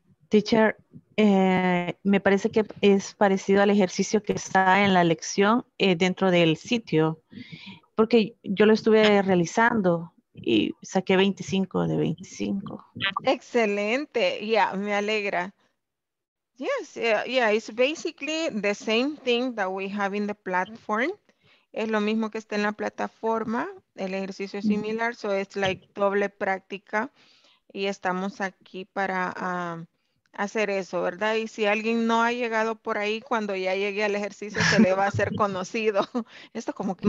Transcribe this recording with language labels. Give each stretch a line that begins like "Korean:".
Spanish: Teacher, me parece que es parecido al ejercicio que está en la lección dentro del sitio. Porque yo lo estuve realizando y saqué 25 de 25. Excelente. Yeah, me alegra.
English: Yes, yeah, it's basically the same thing that we have in the platform.
Spanish: Es lo mismo que está en la plataforma. El ejercicio es similar,
English: so it's like
Spanish: doble práctica. Y estamos aquí para hacer eso, ¿verdad? Y si alguien no ha llegado por ahí, cuando ya llegue al ejercicio, se le va a hacer conocido. Esto como que